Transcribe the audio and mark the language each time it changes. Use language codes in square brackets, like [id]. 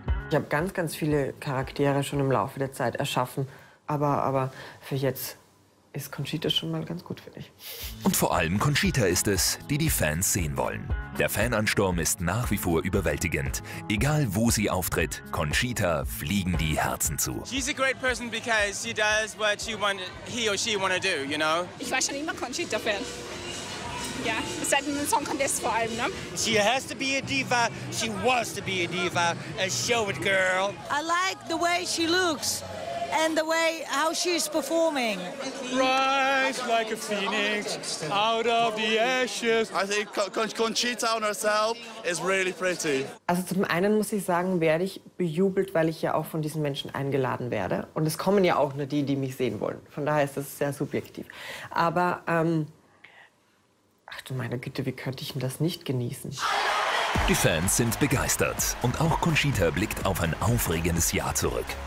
[de] Ich habe ganz, ganz viele Charaktere schon im Laufe der Zeit erschaffen. Aber für jetzt ist Conchita schon mal ganz gut, finde ich. Und vor allem Conchita ist es, die Fans sehen wollen. Der Fanansturm ist nach wie vor überwältigend. Egal wo sie auftritt, Conchita fliegen die Herzen zu. [en] She's a great person because she does what he or she wanna do, you know? [de] Ich war schon immer Conchita-Fan. Ja, seit dem Song Contest vor allem, ne? [en] She has to be a diva, she wants to be a diva, a show it girl. I like the way she looks. And the way how she's performing. Rise like a phoenix out of the ashes. I think Conchita on herself is really pretty. [de] Also zum einen muss ich sagen, werde ich bejubelt, weil ich ja auch von diesen Menschen eingeladen werde. Und es kommen ja auch nur die mich sehen wollen. Von daher ist das sehr subjektiv. Aber Ach du meine Güte, wie könnte ich denn das nicht genießen? Die Fans sind begeistert und auch Conchita blickt auf ein aufregendes Jahr zurück.